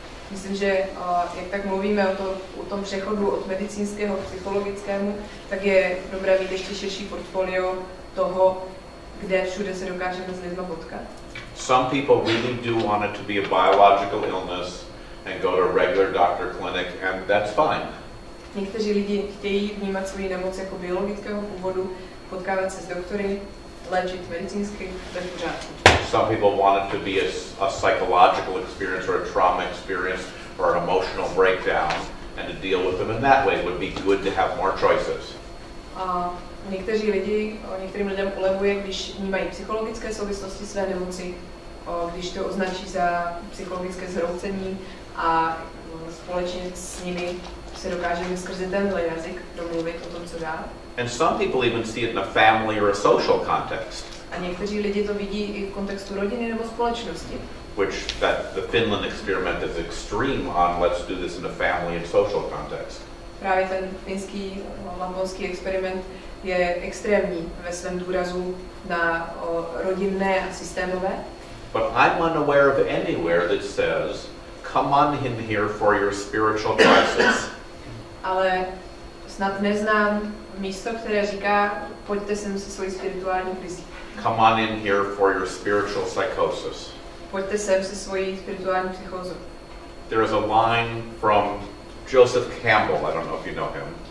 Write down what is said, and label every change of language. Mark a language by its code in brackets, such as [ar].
[cs] Myslím, že jak tak mluvíme o tom přechodu od medicínského k psychologickému, tak je dobré mít ještě širší portfolio toho, kde všude se dokážeme s lidmi potkat. [en] Some people really do want it to be a biological illness and go to a regular doctor clinic, and that's fine. [cs] Někteří lidi chtějí vnímat svoji nemoc jako biologického původu, potkávat se s doktory, léčit medicínsky, to je v pořádku. [en] Some people want it to be a psychological experience or a trauma experience or an emotional breakdown, and to deal with them in that way would be good to have more choices. [cs] Někteří lidi, některým lidem ulevuje, když vnímají psychologické souvislosti své nemoci, když to označí za psychologické zhroucení a společně s nimi se dokážeme skrze tenhle jazyk domluvit o tom, co dál. [en] And some people even see it in a family or a social context. [cs] A někteří lidi to vidí i v kontextu rodiny nebo společnosti. [en] Which that the Finland experiment is extreme on, let's do this in a family and social context. [cs] Právě ten finský, lamponský experiment je extrémní ve svém důrazu na rodinné a systémové. [en] But I'm unaware of anywhere that says, come on in here for your spiritual crisis. [cs] Ale snad neznám místo, které říká, pojďte sem se svojí spirituální krizí. [en] Come on in here for your spiritual psychosis. [cs] Pojďte sem se svojí spirituální psychózou. [en] There is a line from Joseph Campbell, I don't know if you know him.